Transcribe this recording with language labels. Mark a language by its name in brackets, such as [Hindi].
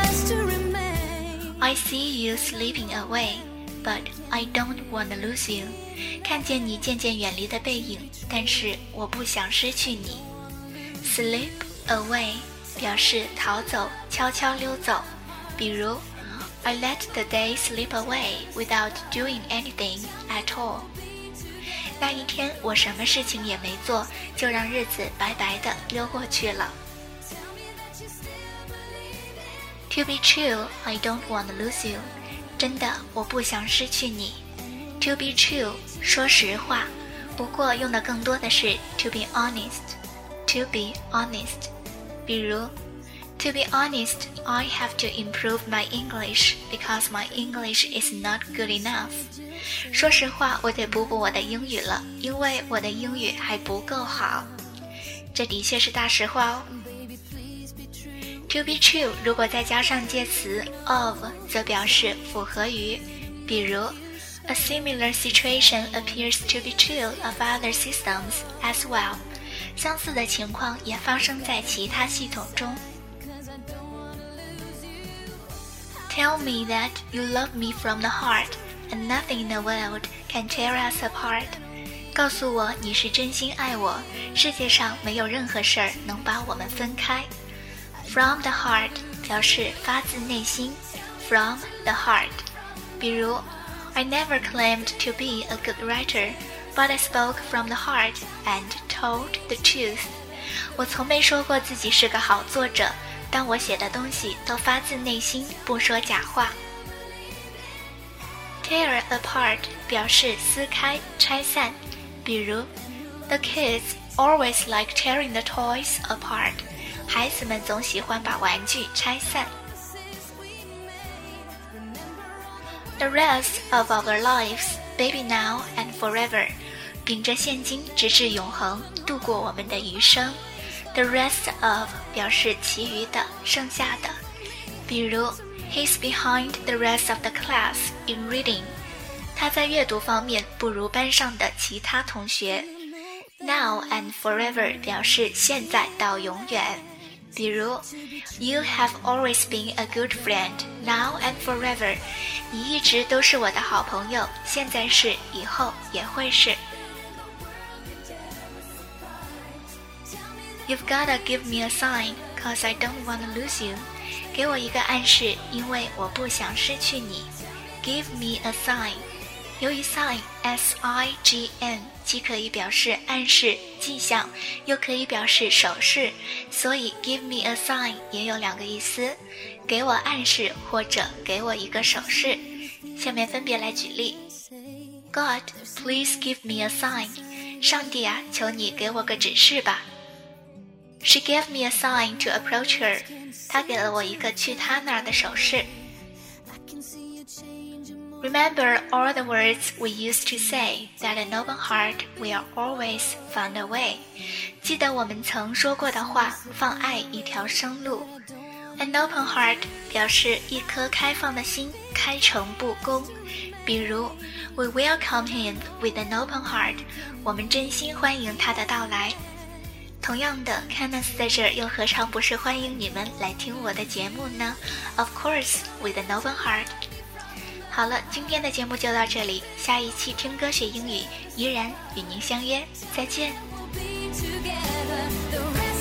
[English] I see you slipping away, but I don't want to lose you. [Chinese] 看见你渐渐远离的背影，但是我不想失去你。 Slip away 表示逃走，悄悄溜走。 [English] 比如 I let the day slip away without doing anything at all. [Chinese] 那一天我什么事情也没做，就让日子白白的溜过去了。 [English] To be true, I don't want to lose you. [Chinese] 真的，我不想失去你。 [English] To be true, [Chinese] 说实话。不过用的更多的是 [English] to be honest. To be honest. 比如 To be honest, I have to improve my English because my English is not good enough. [Chinese] 说实话，我得补补我的英语了，因为我的英语还不够好。这的确是大实话哦。To be true, 如果再加上介词 of, 则表示符合于。 [English] 比如 A similar situation appears to be true of other systems as well. [Chinese] 相似的情况也发生在其他系统中。 [English] Tell me that you love me from the heart, and nothing in the world can tear us apart. [Chinese] 告诉我你是真心爱我，世界上没有任何事能把我们分开。 From the heart 表示发自内心。 [English] From the heart 比如 I never claimed to be a good writer, but I spoke from the heart and told the truth. [Chinese] 我从没说过自己是个好作者，但我写的东西都发自内心，不说假话。 Tear apart 表示撕开、拆散。 [English] 比如 The kids always like tearing the toys apart. [Chinese] 孩子们总喜欢把玩具拆散。 [English] The rest of our lives, baby now and forever, [Chinese] 秉着现今直至永恒度过我们的余生。 The rest of 表示其余的、剩下的。 [English] 比如 He's behind the rest of the class in reading, [Chinese] 他在阅读方面不如班上的其他同学。 Now and forever 表示现在到永远。 [English] 比如 You have always been a good friend, now and forever. [Chinese] 你一直都是我的好朋友，现在是，以后也会是。 [English] You've gotta give me a sign, cause I don't wanna lose you. [Chinese] 给我一个暗示，因为我不想失去你。 Give me a sign. 由于 sign, S-I-G-N,既可以表示暗示、迹象，又可以表示手势，所以 give me a sign 也有两个意思，给我暗示或者给我一个手势。下面分别来举例。 [English] God, please give me a sign. [Chinese] 上帝啊，求你给我个指示吧。 [English] She gave me a sign to approach her. [Chinese] 她给了我一个去她那儿的手势。 [English] Remember all the words we used to say, that an open heart will always find a way. [Chinese] 记得我们曾说过的话，放爱一条生路。 An open heart 表示一颗开放的心，开诚布公。 [English] 比如 We welcome him with an open heart. [Chinese] 我们真心欢迎他的到来。同样的 ,Kenneth 在这儿又何尝不是欢迎你们来听我的节目呢？ [English] Of course, with an open heart. [Chinese] 好了，今天的节目就到这里，下一期听歌学英语依然与您相约，再见。